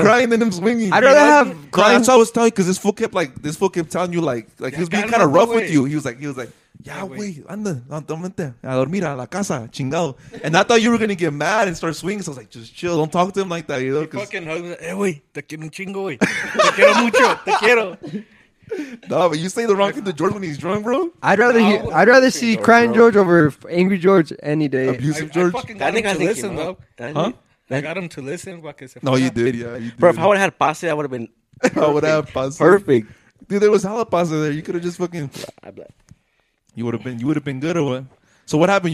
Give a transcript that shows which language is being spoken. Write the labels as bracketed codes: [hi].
[en] Crying than him swinging. I'd rather have crying. That's what I was telling you, because this fool kept telling you, like he was being kind of rough with you. He was like, yeah, wait, [es] anda, vente, a dormir a la casa, chingado. [en] And I thought you were going to get mad and start swinging, so I was like, just chill, don't talk to him like that, you know? He fucking hugged me, wey, [es] te quiero un chingo, wey. Te quiero mucho, te quiero. [en] No, but you say the wrong thing to George when he's drunk, bro? I'd rather see crying George over angry George any day. Abusive George? I think I got him to listen, though. Huh? I got him to listen. No, you did, yeah. You did. Bro, if I would have had pase, I would have been perfect. I would have pase. Perfect. Dude, there was hella pase there. You could have just fucking... You would have been good or what? So what happened?